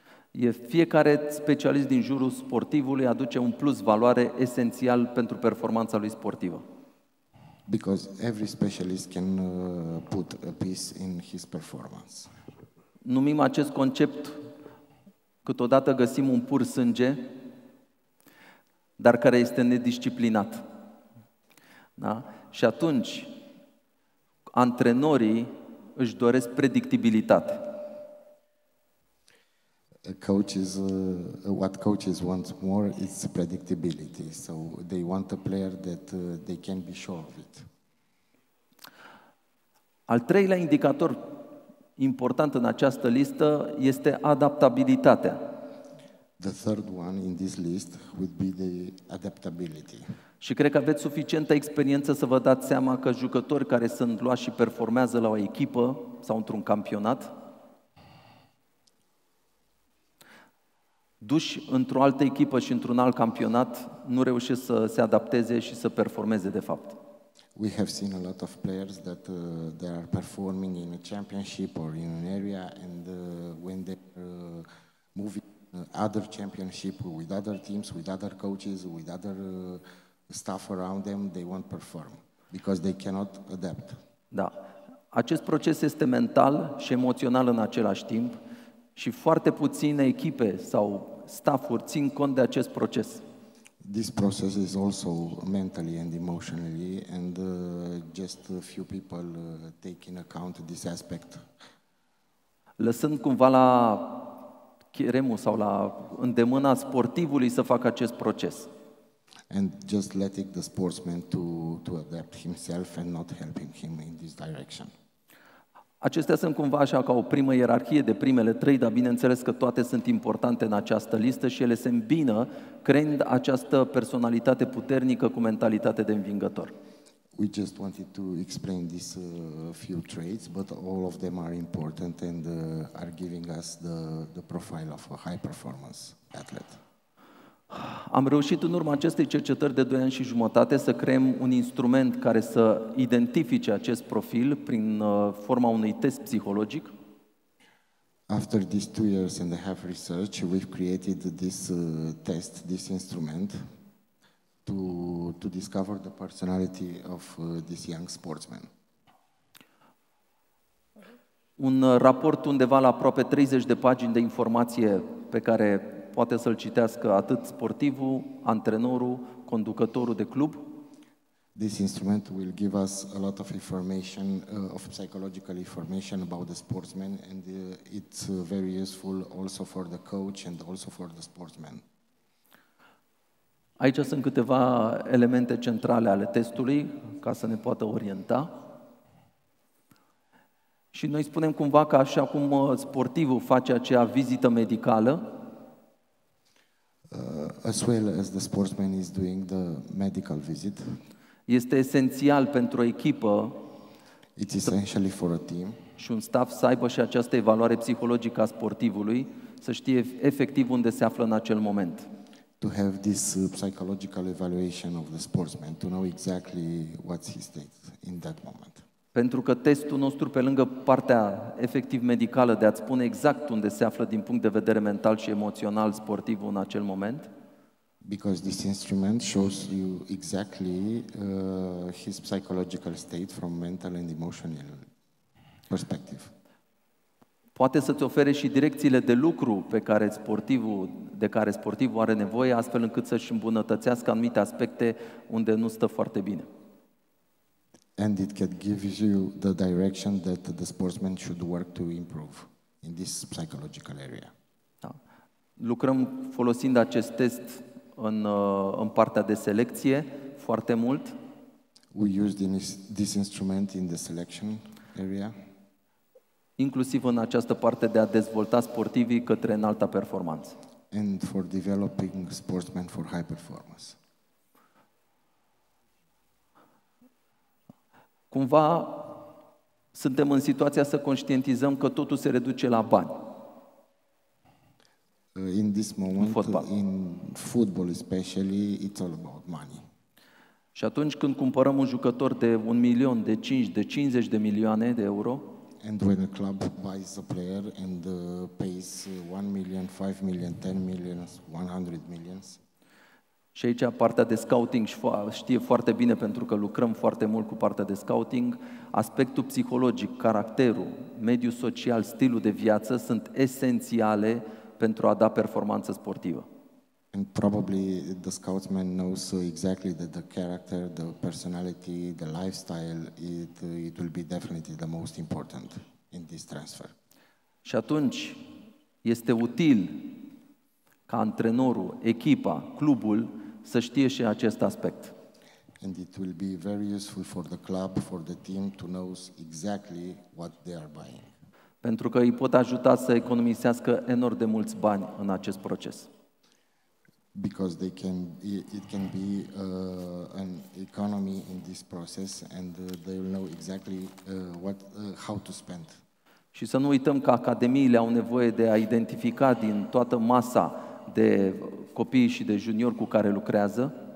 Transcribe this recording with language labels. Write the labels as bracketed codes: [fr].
[ro] E fiecare specialist din jurul sportivului aduce un plus valoare esențial pentru performanța lui sportivă. [en] Because every specialist can put a piece in his performance. [ro] Numim acest concept, câteodată găsim un pur sânge, dar care este nedisciplinat. Da? Și atunci, antrenorii își doresc predictibilitate. [en] Coaches, what coaches want more is predictability. So they want a player that they can be sure of it. [ro] Al treilea indicator important în această listă este adaptabilitatea. [en] The third one in this list would be the adaptability. [ro] Și cred că aveți suficientă experiență să vă dați seama că jucători care sunt luați și performează la o echipă sau într-un campionat duși într-o altă echipă și într-un alt campionat nu reușesc să se adapteze și să performeze de fapt. [en] We have seen a lot of players that they are performing in a championship or in an area and when they move other championship with other teams, with other coaches, with other staff around them, they won't perform because they cannot adapt. [ro] Da. Acest proces este mental și emoțional în același timp și foarte puține echipe sau staff-uri țin cont de acest proces. [en] This process is also mentally and emotionally and just a few people take in account this aspect. [ro] Lăsând cumva la cheremul sau la îndemâna sportivului să facă acest proces. [en] And just letting the sportsman to adapt himself and not helping him in this direction. [ro] Acestea sunt cumva așa ca o primă ierarhie de primele trei, dar bineînțeles că toate sunt importante în această listă și ele se îmbină creând această personalitate puternică cu mentalitate de învingător. [en] We just wanted to explain these few traits, but all of them are important and are giving us the profile of a high performance athlete. [ro] Am reușit în urma acestei cercetări de 2 ani și jumătate să creăm un instrument care să identifice acest profil prin forma unui test psihologic. [en] After these 2 years and a half research, we've created this test, this instrument to discover the personality of this young sportsman. [ro] Un raport undeva la aproape 30 de pagini de informație pe care poate să-l citească atât sportivul, antrenorul, conducătorul de club. [en] This instrument will give us a lot of information, of psychological information about the sportsman and it's very useful also for the coach and also for the sportsman. [ro] Aici sunt câteva elemente centrale ale testului ca să ne poată orienta. Și noi spunem cumva că așa cum sportivul face acea vizită medicală, [en] As well as the sportsman is doing the medical visit. [ro] Este esențial pentru o echipă. [en] It's essentially for a team. [ro] Și un staff să aibă și această evaluare psihologică a sportivului, să știe efectiv unde se află în acel moment. [en] To have this psychological evaluation of the sportsman, to know exactly what's his state in that moment. [ro] Pentru că testul nostru, pe lângă partea efectiv medicală de a-ți spune exact unde se află din punct de vedere mental și emoțional sportivul în acel moment, [en] because this instrument shows you exactly his psychological state from mental and emotional perspective. [ro] Poate să-ți ofere și direcțiile de lucru pe care sportivul, de care sportivul are nevoie, astfel încât să-și îmbunătățească anumite aspecte unde nu stă foarte bine. [en] And it can give you the direction that the sportsman should work to improve in this psychological area. [ro] Da. Lucrăm folosind acest test în, în partea de selecție foarte mult. [en] We use this instrument in the selection area. [ro] Inclusiv în această parte de a dezvolta sportivii către înalta performanță. [en] And for developing sportsmen for high performance. [ro] Cumva suntem în situația să conștientizăm că totul se reduce la bani. [en] In this moment, in football especially, it's all about money. [ro] Și atunci când cumpărăm un jucător de 1 milion, de 5, de 50 de milioane de euro, [en] and when a club buys a player and pays 1 million, 5 million, 10 million, 100 million. [ro] Și aici partea de scouting știe foarte bine, pentru că lucrăm foarte mult cu partea de scouting. Aspectul psihologic, caracterul, mediul social, stilul de viață sunt esențiale pentru a da performanță sportivă. [en] And probably the scoutsman knows exactly that the character, the personality, the lifestyle, it will be definitely the most important in this transfer. [ro] Și atunci este util ca antrenorul, echipa, clubul să știe și acest aspect. [en] And it will be very useful for the club, for the team to know exactly what they are buying. [ro] Pentru că îi pot ajuta să economisească enorm de mulți bani în acest proces. [en] Because they can, it can be an economy in this process, and they will know exactly how to spend. [ro] Și să nu uităm că academiile au nevoie de a identifica din toată masa de copii și de juniori cu care lucrează.